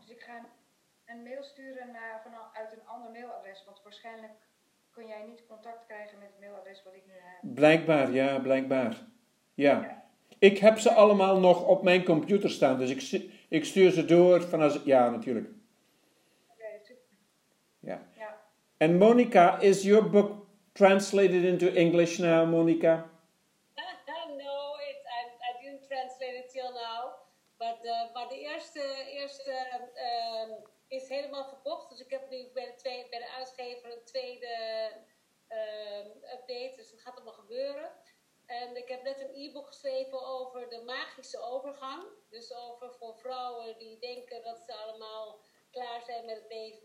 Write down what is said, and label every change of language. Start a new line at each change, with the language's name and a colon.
Dutch: Dus ik ga een mail sturen vanuit een ander mailadres. Want waarschijnlijk kun jij niet contact krijgen met het mailadres wat ik nu heb. Blijkbaar. Ja. Ik heb ze allemaal nog op mijn computer staan. Dus ik stuur ze door vanuit... Ja, natuurlijk. Ja. En
English: Monica, is your book translated into English now, Monica? No, I didn't translate it till now. But
Dutch: de eerste is helemaal verkocht. Dus ik heb nu bij de uitgever een tweede update. Dus dat gaat allemaal gebeuren. En ik heb net een e-book geschreven over de magische overgang. Dus over voor vrouwen die denken dat ze allemaal klaar zijn met het leven.